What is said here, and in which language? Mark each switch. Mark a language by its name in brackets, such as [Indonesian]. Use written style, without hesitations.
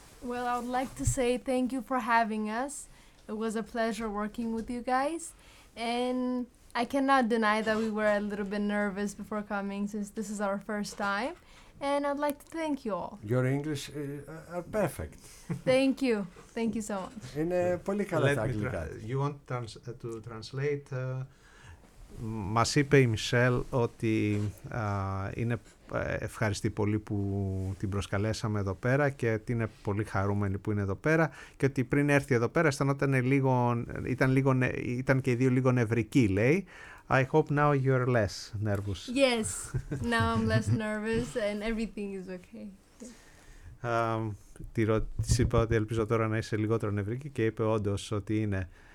[English] Well, I would like to say thank you for having us. It was a pleasure working with you guys. And I cannot deny that we were a little bit nervous before coming since this is our first time. And I'd like to thank you all. Your English are perfect. Thank you. Thank you so much. [Greek] Είναι πολύ καλά τα αγγλικά. [English] You want to translate? [Greek] Μας είπε η Μισελ ότι είναι ευχαριστή πολύ που την προσκαλέσαμε εδώ πέρα και ότι είναι πολύ χαρούμενη που είναι εδώ πέρα και ότι πριν έρθει εδώ πέρα ήταν και οι δύο λίγο νευρική, λέει. [English] I hope now you're less nervous. Yes, now I'm less nervous and everything is okay. [Greek] Της είπα ότι ελπίζω τώρα να είσαι λιγότερο νευρική και είπε όντως ότι είναι.